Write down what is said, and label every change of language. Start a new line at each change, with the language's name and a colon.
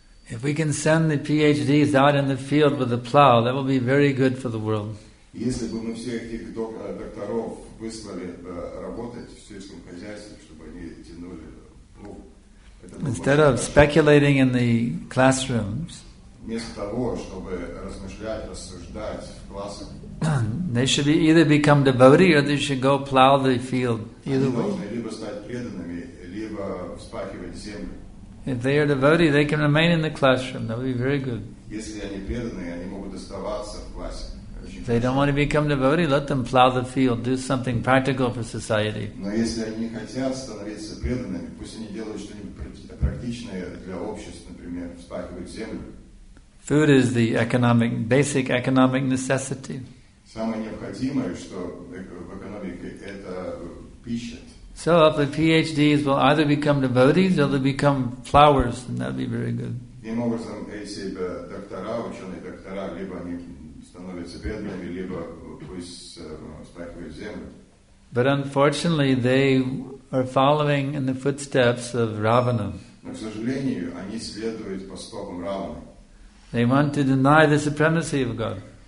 English: If we can send the PhDs out in the field with a plow, that will be very good for the world.
Russian: Если бы мы всех этих докторов выслали работать в сельском хозяйстве, чтобы они тянули плуг.
English: Instead of speculating in the classrooms,
Russian: вместо того, чтобы размышлять, рассуждать в классах,
English: they should be either become devotee or they should go plow the field. Either way.
Russian: Они должны либо стать преданными, либо вспахивать землю.
English: If they are devotee, they can remain in the classroom. That would be very good.
Russian: Если они преданные, они могут оставаться в классе.
English: If they don't want to become devotee, let them plow the field, do something practical for society.
Russian: Но если они хотят становиться преданными, пусть они делают что-нибудь практичное для общества, например, вспахивают землю.
English: Food is the economic, basic economic necessity.
Russian: Самое необходимое, что в экономике, это пища.
English: So if the PhDs will either become devotees or they'll become flowers, then that'd be very good.
Russian: Таким образом, эти доктора, ученые доктора, либо они станут становятся бедными, либо пусть спрашивают землю.
English: But unfortunately, they are following in the footsteps of Ravana.
Russian: Но, к сожалению, они следуют по стопам Равана.
English: They want to deny the supremacy of God.